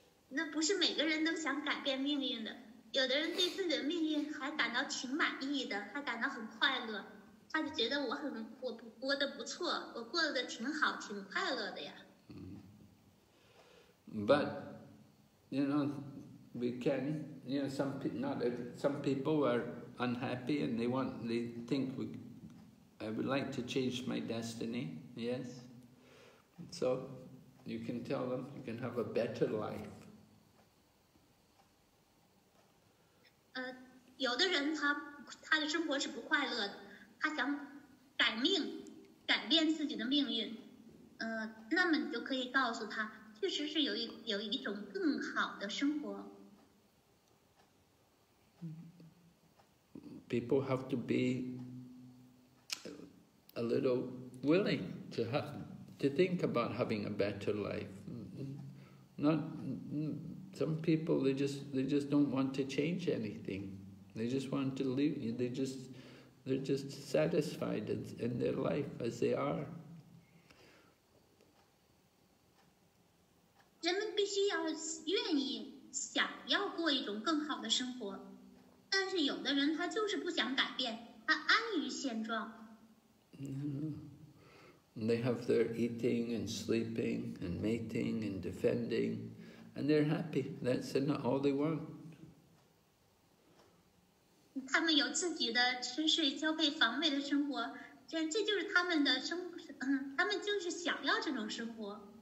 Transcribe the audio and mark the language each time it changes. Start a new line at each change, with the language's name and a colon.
Chinese: 那不是每个人都想改变命运的，有的人对自己的命运还感到挺满意的，还感到很快乐，他就觉得我过得不错，我过得挺好，挺快乐的呀。
English: But, you know, we can, you know, some people are unhappy and they think I would like to change my destiny, yes? So, you can tell them you can have a better life.
Chinese: 有的人他的生活是不快乐的，他想改变自己的命运。那么你就可以告诉他，确实是有一种更好的生活。
English: People have to be a little willing to think about having a better life. Not some people they just don't want to change anything. They just want to live. They're just satisfied in their life as they are.
Chinese: 人们必须要愿意想要过一种更好的生活，但是有的人他就是不想改变，他安于现状。
English: And they have their eating and sleeping and mating and defending, and they're happy. That's not all they want.
Chinese: 他们有自己的吃睡交配防卫的生活，这就是他们的生，他们就是想要这种生活。